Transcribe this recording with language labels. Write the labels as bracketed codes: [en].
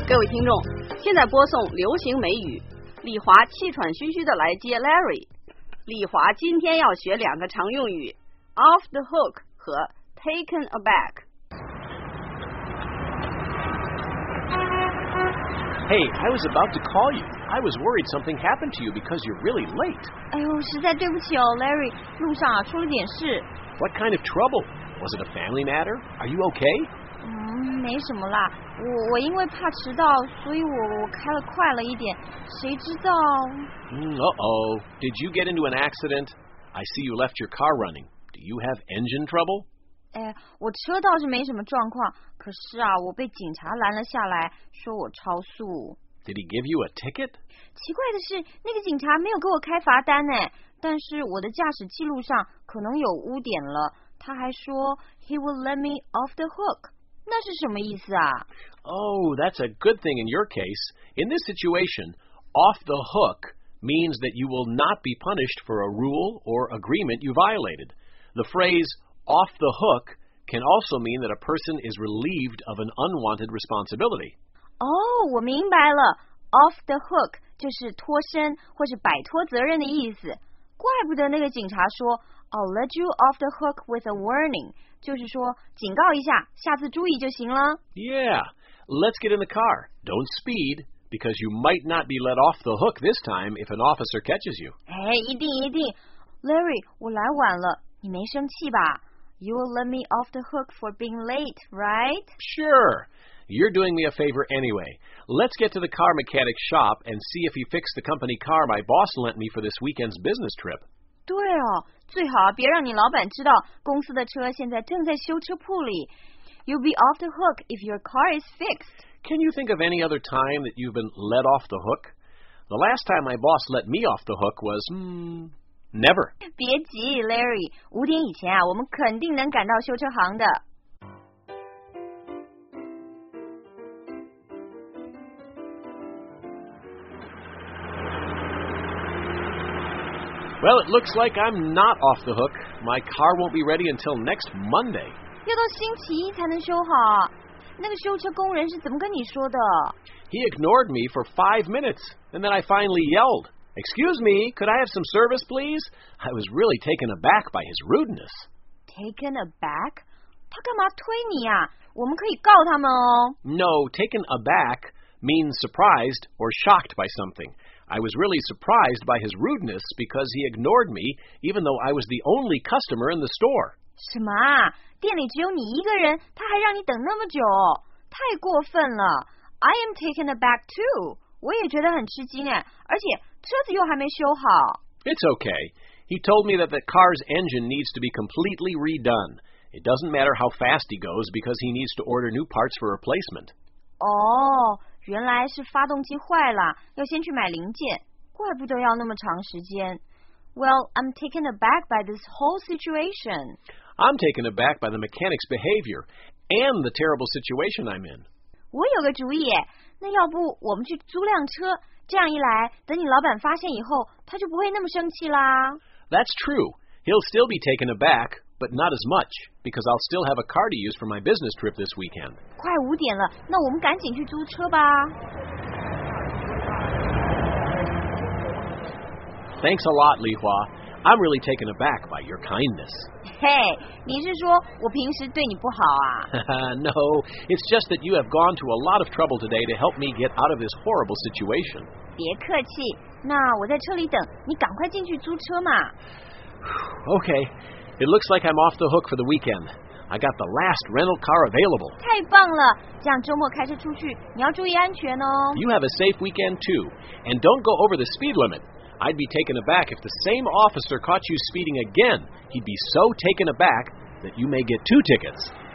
[zh] 听众，现在播送流行美语。李华气喘吁吁的来接 Larry。李华今天要学两个常用语 ：off the hook 和 taken aback。 [en] Hey, I was about to call you. I was worried something happened to you because you're really late. [zh] 哎呦，实在对不起哦 ，Larry， 路上啊出了点事。 [en] What kind of trouble? Was it a family matter? Are you okay? [zh] 没什么啦。我因为怕迟到，所以我开了快了一点。谁知道？ [en] Did you get into an accident? I see you left your car running. Do you have engine trouble? [zh] 哎，我车倒是没什么状况，可是啊，我被警察拦了下来，说我超速。 [en] Did he give you a ticket? [zh] 奇怪的是，那个警察没有给我开罚单呢，但是我的驾驶记录上可能有污点了。他还说 [en] he will let me off the hook。 [zh] 那是什么意思啊？ [en] Oh, that's a good thing in your case. In this situation, off the hook means that you will not be punished for a rule or agreement you violated. The phrase off the hook can also mean that a person is relieved of an unwanted responsibility. [zh] Oh, 我明白了。 Off the hook 就是脱身或是摆脱责任的意思。怪不得那个警察说 [en] I'll let you off the hook with a warning， [zh] 就是说警告一下，下次注意就行了。 [en] Yeah, let's get in the car. Don't speed, because you might not be let off the hook this time if an officer catches you. [zh] 哎，一定一定。 Larry， 我来晚了，你没生气吧？ [en] You will let me off the hook for being late, right? Sure. You're doing me a favor anyway. Let's get to the car mechanic shop and see if he fixed the company car my boss lent me for this weekend's business trip. [zh] 对哦，最好别让你老板知道公司的车现在正在修车铺里。 [en] You'll be off the hook if your car is fixed. Can you think of any other time that you've been let off the hook? The last time my boss let me off the hook was, never. [zh] 别急 ,Larry, 五点以前啊，我们肯定能赶到修车行的。 [en] Well, it looks like I'm not off the hook. My car won't be ready until next Monday. [zh] 要到星期一才能修好。那个修车工人是怎么跟你说的？ [en] He ignored me for 5 minutes, and then I finally yelled, Excuse me, could I have some service, please? I was really taken aback by his rudeness. [zh] Taken aback? 他干嘛推你啊？我们可以告他们哦。 [en] No, taken aback means surprised or shocked by something. I was really surprised by his rudeness because he ignored me, even though I was the only customer in the store. [zh] 什么？店里只有你一个人，他还让你等那么久，太过分了。 [en] I am taken aback too. [zh] 我也觉得很吃惊哎，而且车子又还没修好。 [en] It's okay. He told me that the car's engine needs to be completely redone. It doesn't matter how fast he goes because he needs to order new parts for replacement. Oh. [zh] 原来是发动机坏了，要先去买零件，怪不得要那么长时间。 [en] Well, I'm taken aback by this whole situation. I'm taken aback by the mechanic's behavior and the terrible situation I'm in. [zh] 我有个主意，那要不我们去租辆车，这样一来，等你老板发现以后，他就不会那么生气啦。 [en] That's true. He'll still be taken aback. But not as much, because I'll still have a car to use for my business trip this weekend. [zh] 快五点了，那我们赶紧去租车吧。 [en] Thanks a lot, Li Hua. I'm really taken aback by your kindness. [zh] Hey, 你是说我平时对你不好啊？ [en] No, it's just that you have gone to a lot of trouble today to help me get out of this horrible situation. [zh] 别客气，那我在车里等，你赶快进去租车嘛。 [en] Okay. It looks like I'm off the hook for the weekend. I got the last rental car available. [zh] 太棒了！这样周末开车出去，你要注意安全哦。 [en] You have a safe weekend too, and don't go over the speed limit. I'd be taken aback if the same officer caught you speeding again. He'd be so taken aback that you may get 2 tickets.